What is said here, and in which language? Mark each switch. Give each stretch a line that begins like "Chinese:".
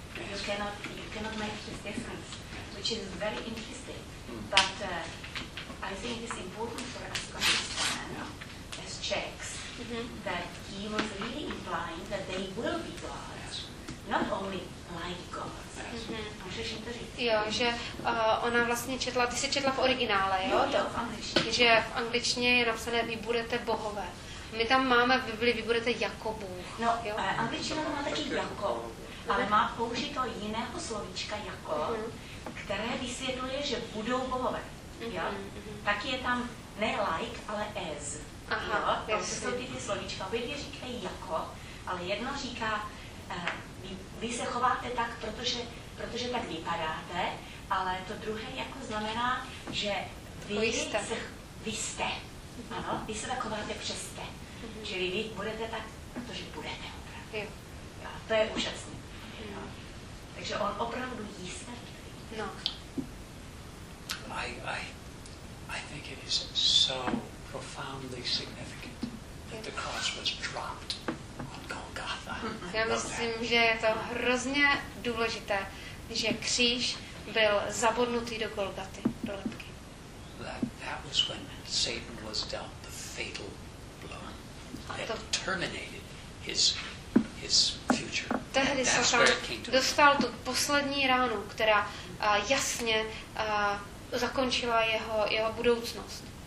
English: yes. you cannot make this difference, yes. Which is very interesting. Mm. But I think it's important for us to understand. Yeah. Checks mm-hmm. that he was really implying that they will be gods, yes. not only like gods. Yes. Mm-hmm.
Czech: Jo, že ona vlastně četla, ty jsi četla v originále, jo? Jo, v angličtině. Že v angličtině je napsané, vy budete bohové. My tam máme v Biblii, vy budete jako Bůh. No, angličtina to má taky jako, ale má použito jiného slovíčka jako, mm-hmm. které vysvětluje, že budou bohové. Jo? Mm-hmm. Tak je tam ne like, ale as. Aha, jo, to jsou ty slovíčka. Obě říkají jako, ale jedno říká, vy se chováte tak, protože tak vypadáte, ale to druhé jako znamená, že vy jste. Mm-hmm. Ano, vy se tak chováte přeste. Mm-hmm. Čili vy budete tak, protože budete opravdu. Jo. Jo, to je úžasné. Mm-hmm. Takže on opravdu jistý. No.
English: I think it is so profoundly significant that the cross was dropped on Golgotha.
Czech: Já myslím, že je to hrozně důležité, že kříž byl zabodnutý do Golgaty, do lebky.
English: That was when Satan was dealt the fatal blow that terminated his future.
Czech: Tehdy Satan dostal tu poslední ránu, která jasně zakončila jeho budoucnost.